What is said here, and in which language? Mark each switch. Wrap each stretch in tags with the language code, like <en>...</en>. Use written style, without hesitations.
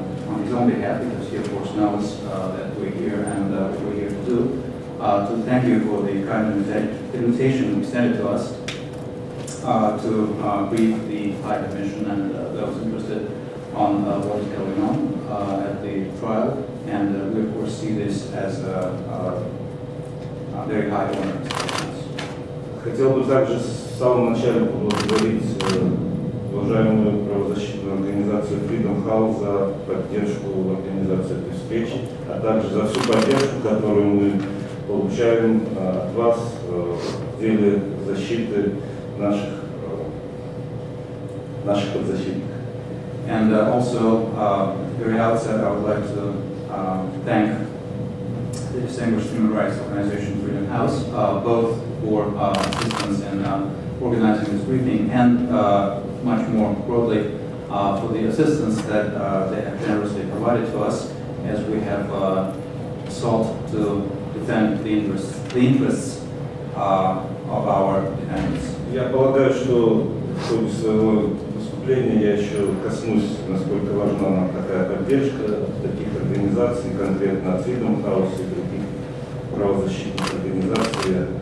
<en>behalf, because he of course knows that we're here and what we're here to do, to thank you for the kind invitation extended to us to brief the High Commission and those interested on what is going on at the trial. And we of course see this as a very high honor.</en> <ru>Хотел бы также с самого начала поблагодарить уважаемую правозащитную организацию Freedom House за поддержку организации этой встречи, а также за всю поддержку, которую мы получаем от вас в деле защиты наших подзащитников.</ru> <en>And also, at the very outset, I would like to thank the distinguished human rights organization Freedom House, both for assistance in organizing this briefing and much more broadly for the assistance that they have generously provided to us as we have sought to defend the interests of our defendants.</en> <ru>Я полагаю, что в ходе своего выступления я еще коснусь, насколько важна нам такая поддержка таких организаций, конкретно от Freedom House и других правозащитных организаций.</ru>